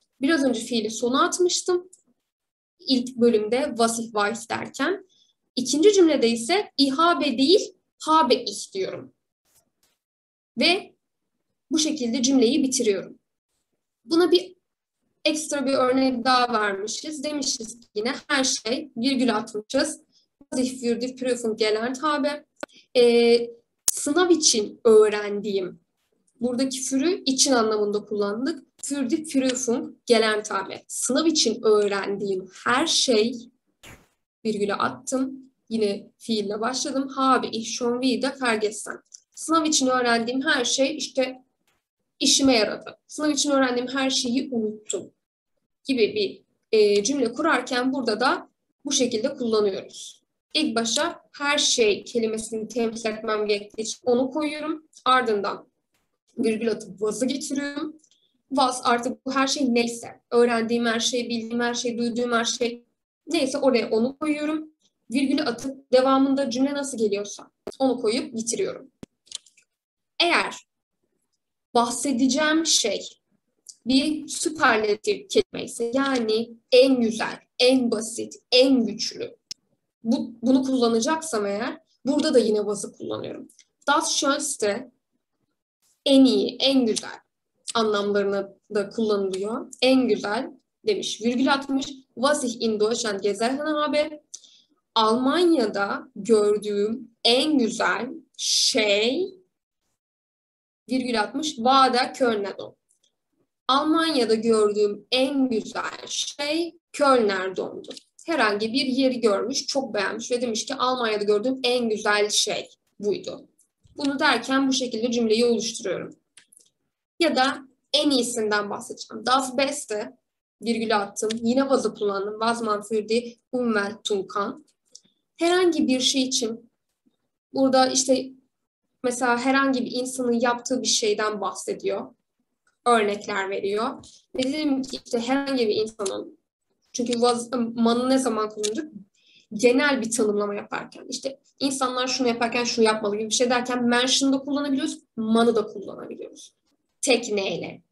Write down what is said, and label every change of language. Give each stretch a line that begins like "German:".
Turkish: Biraz önce fiili sona atmıştım. İlk bölümde
German: was ich weiß
Turkish: derken. İkinci cümlede ise ihabe değil,
German: habe ich
Turkish: diyorum. Ve bu şekilde cümleyi bitiriyorum. Buna bir ekstra bir örnek daha vermişiz. Demişiz ki yine her şey virgül atmışız.
German: Sich für die Prüfung gelernt habe.
Turkish: Sınav için öğrendiğim. Buradaki für'ü için anlamında kullandık.
German: Für die Prüfung gelernt habe.
Turkish: Sınav için öğrendiğim her şey virgülü attım. Yine fiille başladım.
German: Habe ich schon wieder vergessen.
Turkish: Sınav için öğrendiğim her şey işte işime yaradı. Sınav için öğrendiğim her şeyi unuttum. Gibi bir cümle kurarken burada da bu şekilde kullanıyoruz. İlk başa her şey kelimesini temsil etmem gerektiği için onu koyuyorum. Ardından virgül atıp was'ı getiriyorum. Was artık bu her şey neyse. Öğrendiğim her şey, bildiğim her şey, duyduğum her şey neyse oraya onu koyuyorum. Virgülü atıp devamında cümle nasıl geliyorsa onu koyup bitiriyorum. Eğer bahsedeceğim şey bir süperlatif kelime ise yani en güzel, en basit, en güçlü bunu kullanacaksam eğer burada da yine was'ı kullanıyorum.
German: Das Schönste
Turkish: en iyi, en güzel anlamlarına da kullanılıyor. En güzel demiş, virgül atmış.
German: Was ich in Deutschland gesehen habe.
Turkish: Almanya'da gördüğüm en güzel şey, virgül atmış,
German: war der Kölner Dom.
Turkish: Almanya'da gördüğüm en güzel şey Kölner Dom'du. Herhangi bir yeri görmüş, çok beğenmiş ve demiş ki Almanya'da gördüğüm en güzel şey buydu. Bunu derken bu şekilde cümleyi oluşturuyorum. Ya da en iyisinden bahsedeceğim.
German: Das Beste,
Turkish: virgül attım. Yine was'ı kullandım.
German: Was man für die Umwelt tun kann.
Turkish: Herhangi bir şey için, burada işte mesela herhangi bir insanın yaptığı bir şeyden bahsediyor. Örnekler veriyor. Dedim ki işte herhangi bir insanın, çünkü man'ı ne zaman kullanacak? Genel bir tanımlama yaparken, işte insanlar şunu yaparken şunu yapmalı gibi bir şey derken mention'ı da kullanabiliyoruz, man'ı da kullanabiliyoruz. Tek neyle?